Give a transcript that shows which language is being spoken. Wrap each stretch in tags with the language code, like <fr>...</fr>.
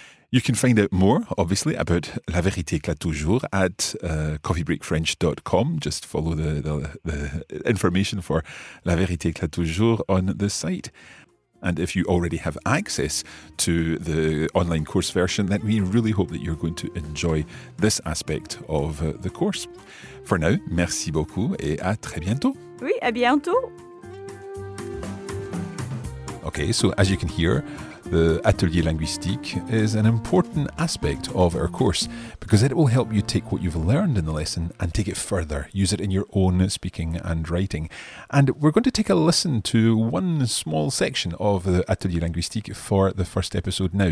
<en>You can find out more, obviously, about La Vérité Éclate Toujours at coffeebreakfrench.com. Just follow the information for La Vérité Éclate Toujours on the site. And if you already have access to the online course version, then we really hope that you're going to enjoy this aspect of the course. For now,</en> <fr>merci beaucoup et à très bientôt. Oui, à bientôt.</fr> <en>Okay, so as you can hear, the Atelier Linguistique is an important aspect of our course because it will help you take what you've learned in the lesson and take it further, use it in your own speaking and writing. And we're going to take a listen to one small section of the Atelier Linguistique for the first episode now.</en>